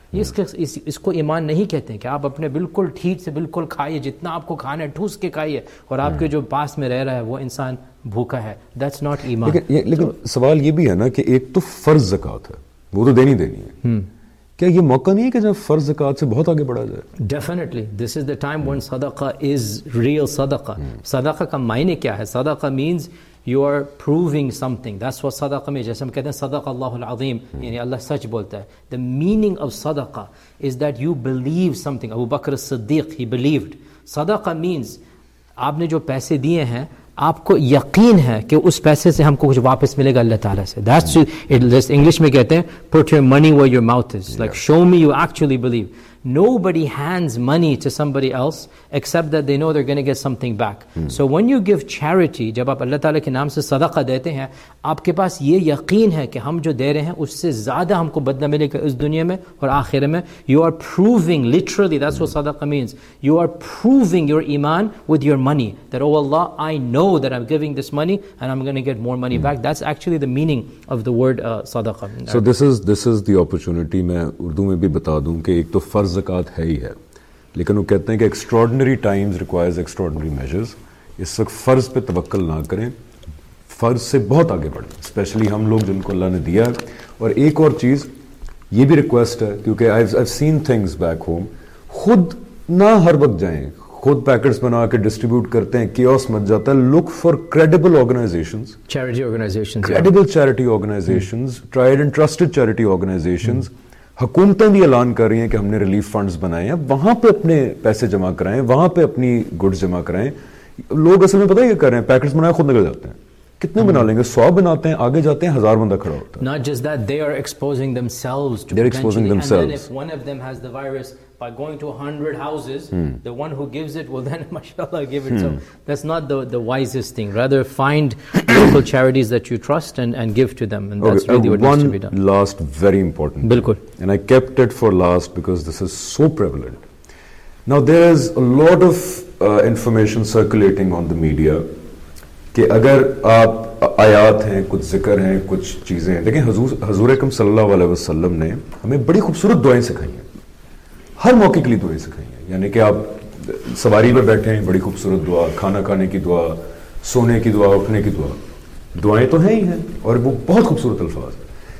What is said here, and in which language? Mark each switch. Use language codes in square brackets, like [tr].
[ur] اس کو ایمان نہیں کہتے کہ آپ اپنے بالکل ٹھیک سے بالکل کھائیے, جتنا آپ کو کھانا ہے ٹھوس کے کھائیے, اور آپ کے جو پاس میں رہ رہا ہے وہ انسان بھوکا ہے. [en] That's not ایمان. [ur] لیکن سوال یہ بھی ہے نا کہ ایک تو فرض زکوٰۃ ہے, وہ تو دینی دینی ہے, کیا یہ موقع نہیں ہے کہ جب فرض زکات سے بہت آگے بڑھا جائے؟ [en] Definitely, this is the time when صدقہ is real صدقہ. [ur] صدقہ کا معنی کیا ہے؟ [en] صدقہ means you are proving something. This was [ur] صدقہ, میں جیسے ہم کہتے ہیں صدق اللہ العظیم, یعنی اللہ سچ بولتا ہے. [en] The meaning of صدقہ is that you believe something. Abu Bakr Siddiq, he believed. صدقہ means [ur] آپ نے جو پیسے دیے ہیں آپ کو یقین ہے کہ اس پیسے سے ہم کو کچھ واپس ملے گا اللہ تعالیٰ سے. [en] That's [ur] انگلش میں کہتے ہیں [en] put your money where your mouth is, like show me you actually believe. Nobody hands money to somebody else except that they know they're going to get something back. So when you give charity, [ur] جب آپ اللہ تعالیٰ کے نام سے صدقہ دیتے ہیں آپ کے پاس یہ یقین ہے کہ ہم جو دے رہے ہیں اس سے زیادہ ہم کو بدلہ ملے گا اس دنیا میں اور آخر میں. [en] You are proving literally, that's what صدقہ means, you are proving your ایمان with your money that oh Allah I know that I am giving this money and I am going to get more money back. That's actually the meaning of the word صدقہ. So this is the opportunity. [ur] میں اردو میں بھی بتا دوں کہ ایک تو فرض زکات ہے ہی ہے, لیکن وہ کہتے ہیں کہ [en] Extraordinary times requires extraordinary measures. [ur] اس وقت فرض پہ توکل نہ کریں, فرض سے بہت آگے بڑھیں, اسپیشلی ہم لوگ جن کو اللہ نے دیا ہے. اور ایک اور چیز یہ بھی ریکویسٹ ہے, کیونکہ [en] I have seen things back home, [ur] خود نہ ہر وقت جائیں, خود پیکٹس بنا کے ڈسٹریبیوٹ کرتے ہیں, کیوس مچ جاتا ہے. [en] Look for credible organizations, charity organizations, credible charity organizations, tried and trusted charity organizations. [ur] حکومتیں بھی اعلان کر رہی ہیں کہ ہم نے ریلیف فنڈز بنائے ہیں, وہاں پہ اپنے پیسے جمع کرائیں, وہاں پہ اپنی گڈز جمع کرائیں. لوگ اصل میں پتہ ہی کر رہے ہیں, پیکٹس بنائے خود نکل جاتے ہیں. کتنے بنا لیں گے, 100 بناتے ہیں, آگے جاتے ہیں ہزار بندہ کھڑا ہوتا ہے. [en] Not just that, they are exposing themselves to, they are exposing themselves. And then if one of them has the virus by going to 100 houses, the one who gives it will then mashallah give it. So that's not the wisest thing. Rather find local charities that you trust and give to them, and that's really what needs to be done. One last very important [ur] bilkul, [en] and I kept it for last because this is so prevalent now. There is a lot of information circulating on the media [ur] کہ اگر آپ آیات ہیں, کچھ ذکر ہیں, کچھ چیزیں ہیں. لیکن حضور اکرم صلی اللہ علیہ وسلم نے ہمیں بڑی خوبصورت دعائیں سکھائی ہیں, ہر موقع کے لیے دعائیں سکھائی ہیں. یعنی کہ آپ سواری پر بیٹھے ہیں, بڑی خوبصورت دعا, کھانا کھانے کی دعا, سونے کی دعا, اٹھنے کی دعا, دعائیں تو ہیں ہی ہیں اور وہ بہت خوبصورت الفاظ.